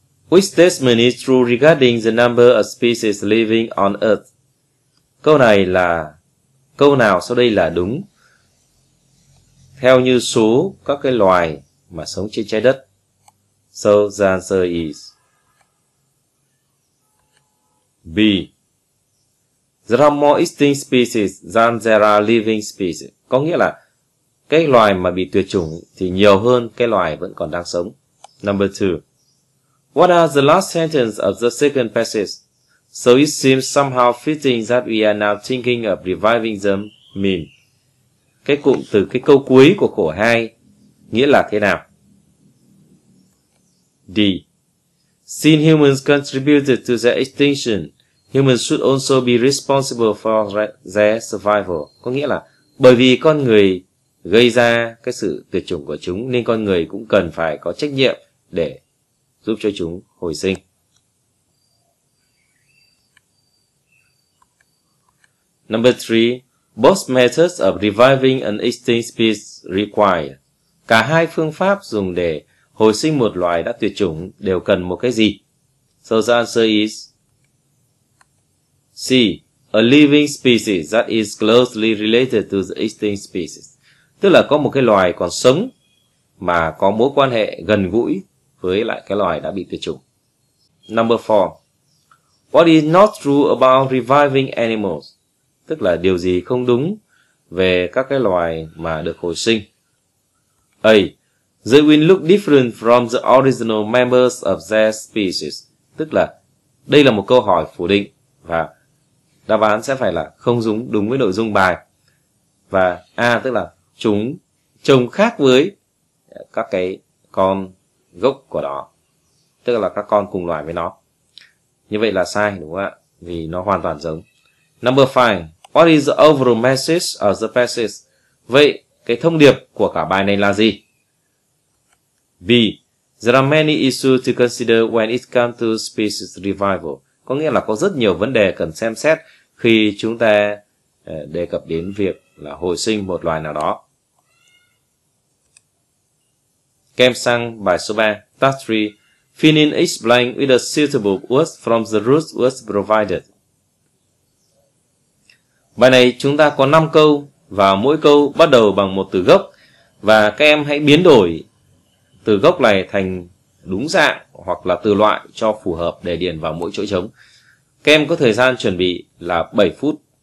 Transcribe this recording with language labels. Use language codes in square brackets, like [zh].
[en] Which statement is true regarding the number of species living on Earth? [vi] Câu này là câu nào sau đây là đúng theo như số các cái loài mà sống trên trái đất? [en] So the answer is B. There are more extinct species than there are living species. [vi] Có nghĩa là cái loài mà bị tuyệt chủng thì nhiều hơn cái loài vẫn còn đang sống. [en] Number 2. What are the last sentence of the second passage? So it seems somehow fitting that we are now thinking of reviving them mean. [vi] Cái cụm từ cái câu cuối của khổ 2 nghĩa là thế nào? [en] D. Since humans contributed to their extinction, humans should also be responsible for their survival. [vi] Có nghĩa là bởi vì con người gây ra cái sự tuyệt chủng của chúng nên con người cũng cần phải có trách nhiệm để giúp cho chúng hồi sinh. [en] Number 3. Both methods of reviving an extinct species require. [vi] Cả hai phương pháp dùng để hồi sinh một loài đã tuyệt chủng đều cần một cái gì? [en] So the answer is C. A living species that is closely related to the extinct species. [vi] Tức là có một cái loài còn sống mà có mối quan hệ gần gũi với lại cái loài đã bị tuyệt chủng. [en] Number 4. What is not true about reviving animals? [vi] Tức là điều gì không đúng về các cái loài mà được hồi sinh. [en] A. They will look different from the original members of their species. [vi] Tức là đây là một câu hỏi phủ định và đáp án sẽ phải là không đúng, đúng với nội dung bài. Và A. Tức là chúng trông khác với các cái con gốc của nó. Tức là các con cùng loài với nó. Như vậy là sai đúng không ạ? Vì nó hoàn toàn giống. [en] Number 5. What is the overall message of the passage? [vi] Vậy, cái thông điệp của cả bài này là gì? [en] B. There are many issues to consider when it comes to species revival. [vi] Có nghĩa là có rất nhiều vấn đề cần xem xét khi chúng ta đề cập đến việc là hồi sinh một loài nào đó. Kem sang bài số 3, [en] task 3. Fill in each blank with a suitable word from the root word provided. [vi] Bài này chúng ta có 5 câu và mỗi câu bắt đầu bằng một từ gốc và các em hãy biến đổi từ gốc này thành đúng dạng hoặc là từ loại cho phù hợp để điền vào mỗi chỗ trống. Các em có thời gian chuẩn bị là 7 phút.